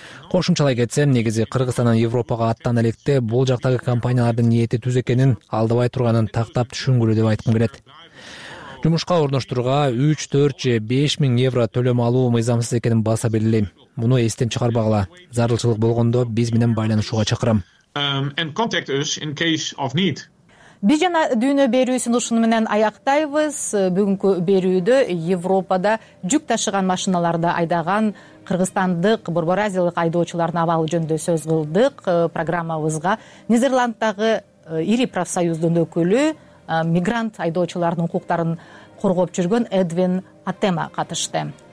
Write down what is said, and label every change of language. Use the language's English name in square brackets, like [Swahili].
[Kyrgyz] Кошумчалай кетсем, негизи Кыргызстандан Европага аттан электе бул жактагы компаниялардын ниети түз экенин, алдыбай турганын тактап түшүнгүлү деп айткым келет. жумушка орноштурууга 3-4 же 5000 евро төлөм алуу мыйзамсыз экенин баса белгилейм. Муну эстен чыгарбагыла. Зарылчылык болгондо биз менен байланышууга чакырам. [English] And contact us in case of need. [Kyrgyz] Биз жана дүйнө берүүсүн ушуну менен аяктайбыз. Бүгүнкү берүүдө Европада жүк ташыган машиналарды айдаган кыргызстандык борбор-азиялык айдоочулардын абалы жөнүндө сөз кылдык. Программабызга Нидерланддагы ири профсоюздун өкүлү, мигрант айдоочулардын укуктарын коргоп жүргөн Эдвин Атема катышты.